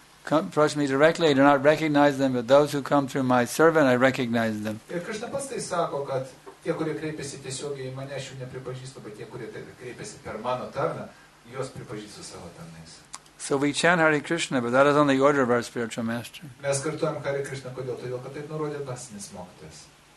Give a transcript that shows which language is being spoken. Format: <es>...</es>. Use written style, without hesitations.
<en>come approach me directly, I do not recognize them, but those who come through my servant, I recognize them.</en> <lt>Ir Krishna pats tai sako, kad tie, kurie kreipiasi tiesiogiai į mane, aš jų nepripažįstu, bet tie, kurie kreipiasi per mano tarną, juos pripažįstu savo tarnais.</lt> <en>So we chant Hare Krishna, but that is on the order of our spiritual master.</en> <lt>Mes kartuojam Hare Krishna, kodėl? Todėl, kad taip nurodė dvasinis mokytojas.</lt>